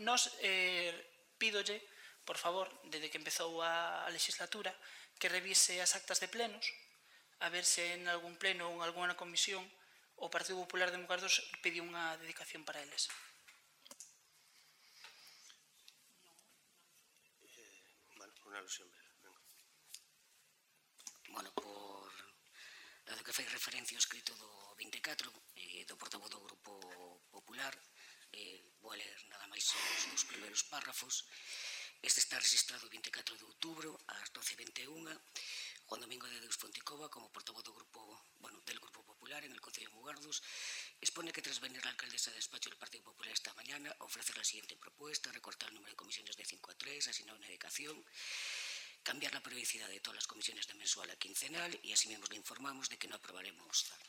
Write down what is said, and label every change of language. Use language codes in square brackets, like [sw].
[gl] Nos pídolle, por favor, desde que empezou a legislatura, que revise as actas de plenos, a ver se en algún pleno ou en alguna comisión o Partido Popular de Mugardos pediu unha dedicación para eles. Unha alusión. Bueno, por dado que fai referencia ao escrito do 24 do portavoz do Grupo Popular, vou a ler nada máis os dos primeiros párrafos. Este está registrado 24 de outubro ás 12:21, [es] Juan Domingo de Deus Fonticova, como portavoz do grupo, bueno, del Grupo Popular en el Concello de Mugardos, expone que tras venir a la alcaldesa de despacho del Partido Popular esta mañana, ofrecer la siguiente propuesta: recortar el número de comisiones de 5 a 3, asignar una dedicación, cambiar la periodicidad de todas las comisiones de mensual a quincenal, y asimismo le informamos de que no aprobaremos.